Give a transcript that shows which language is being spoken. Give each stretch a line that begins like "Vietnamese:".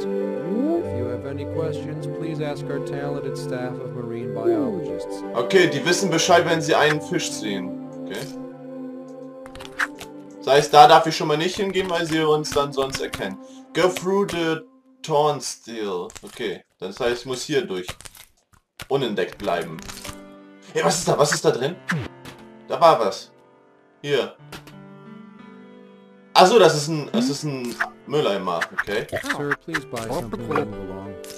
English: If you have any questions, please ask our talented staff of marine biologists.
German: Okay, die wissen Bescheid, wenn sie einen Fisch sehen. Okay. Das heißt, da darf ich schon mal nicht hingehen, weil sie uns dann sonst erkennen.
English: Go through the Thornsteel.
German: Okay, das heißt, ich muss hier durch. Unentdeckt bleiben. Hey, was ist da? Was ist da drin? Da war was. Hier. Achso, das ist ein... Das ist ein Mülleimer, okay.
English: Sir, please buy something along.